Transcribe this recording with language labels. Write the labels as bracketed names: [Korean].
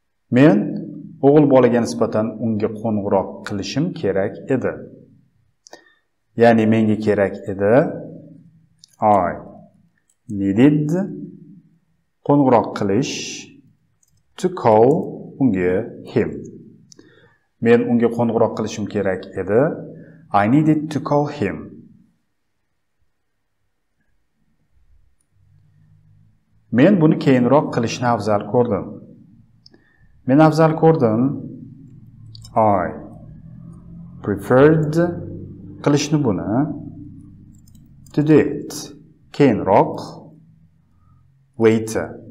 [Uzbek] Men o'g'il bolaga nisbatan unga qo'ng'iroq qilishim kerak edi. Ya'ni menga kerak edi. [English] I needed [Uzbek] qo'ng'iroq qilish [English] to call [Uzbek] unga [English] him. [Uzbek] Men unga qo'ng'iroq qilishim kerak edi. [English] I needed to call him. [Uzbek] Men buni keyinroq qilishni afzal ko'rdim. Men afzal ko'rdim. [English] I preferred [Uzbek] qilishni buni [English] to do it [Uzbek] keyinroq [English] later.